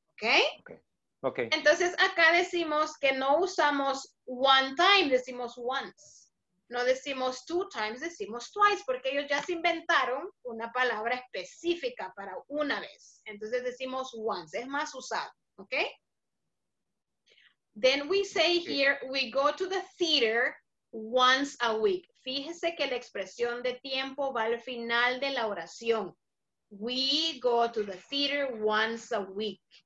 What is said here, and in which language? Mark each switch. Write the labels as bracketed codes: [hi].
[en] ¿Okay? ¿Ok? Ok. [es] Entonces, acá decimos que no usamos one time, decimos once. No decimos two times, decimos twice, porque ellos ya se inventaron una palabra específica para una vez. Entonces, decimos once. Es más usado. ¿Ok? [en] Then we say here, we go to the theater once a week. [es] Fíjese que la expresión de tiempo va al final de la oración. [en] We go to the theater once a week.